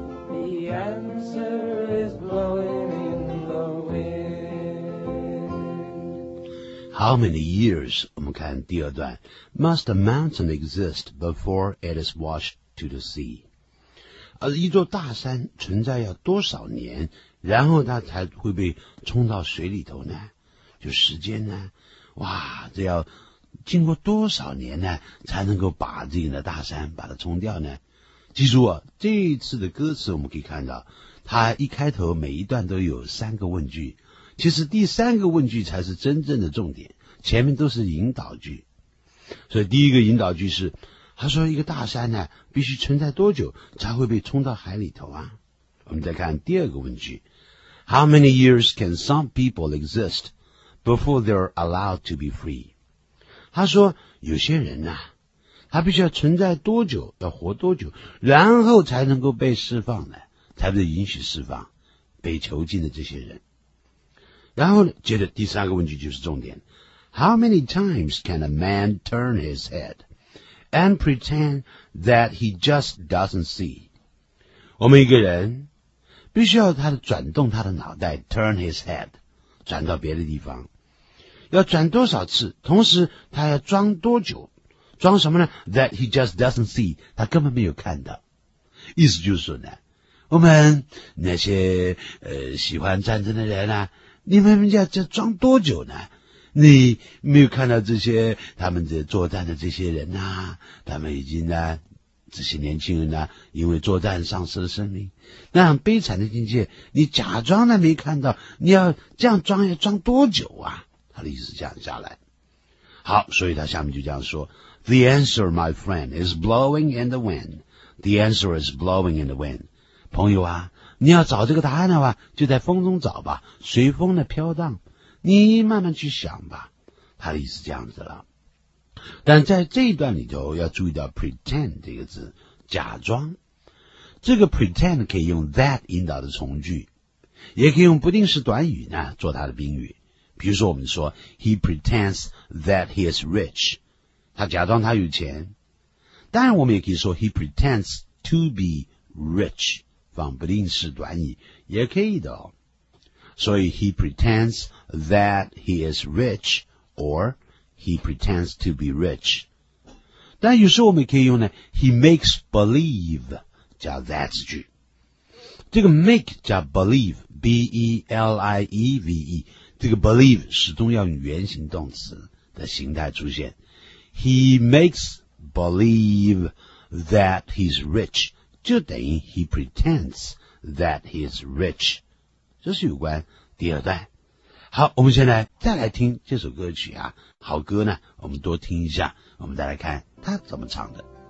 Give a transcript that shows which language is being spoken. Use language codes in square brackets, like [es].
[en] The answer is blowing in the wind. How many years, [zh] 我们看第二段, [en] must a mountain exist before it is washed to the sea? [zh] 而一座大山存在要多少年, 然后它才会被冲到水里头呢?就时间呢? 哇, 这要经过多少年呢, 才能够把自己的大山把它冲掉呢? 记住啊, 这一次的歌词我们可以看到, 它一开头每一段都有三个问句, 其实第三个问句才是真正的重点, 前面都是引导句。所以第一个引导句是, 他说一个大山呢, 必须存在多久, 才会被冲到海里头啊? 我们再看第二个问句, [en] How many years can some people exist before they're allowed to be free? [zh] 他说有些人呢, 他必须要存在多久, 要活多久, 然后才能够被释放呢, 才能允许释放, 被囚禁的这些人。然后接着第三个问句就是重点, [en] How many times can a man turn his head and pretend that he just doesn't see? [zh] 我们一个人必须要他转动他的脑袋, [en] turn his head, [zh] 转到别的地方。要转多少次, 同时他要装多久, 装什么呢? [en] That he just doesn't see, [zh] 他根本没有看到。意思就是说呢, 我们那些, 喜欢战争的人啊, 你们要装多久呢? 你没有看到这些, 他们作战的这些人啊, 他们已经呢, 这些年轻人呢, 因为作战丧失了生命, 那样悲惨的境界, 你假装呢没看到, 你要这样装要装多久啊? 他的意思这样下来。好, 所以他下面就这样说, [en] The answer, my friend, is blowing in the wind. The answer is blowing in the wind. [zh] 朋友啊, 你要找这个答案的话, 就在风中找吧, 随风的飘荡, 你慢慢去想吧, 他的意思这样子了。但在这一段里头, 要注意到pretend这个字, 假装, 这个pretend可以用that引导的从句, 也可以用不定式短语呢, 做他的宾语, 比如说我们说, [en] He pretends that he is rich, [zh] 他假装他有钱, 当然我们也可以说, [en] He pretends to be rich, [zh] 放不定式短语, 也可以的哦。 [en] So he pretends that he is rich, or he pretends to be rich. [zh] 但有时候我们可以用呢, [en] he makes believe [zh] 加 that字句。这个make 加 believe, B-E-L-I-E-V-E, 这个believe始终要用原形动词的形态出现。 [en] He makes believe that he's rich, [zh] 就等于 [en] he pretends that he is rich. [zh] 这是有关第二段。好，我们现在再来听这首歌曲啊，好歌呢，我们多听一下，我们再来看他怎么唱的。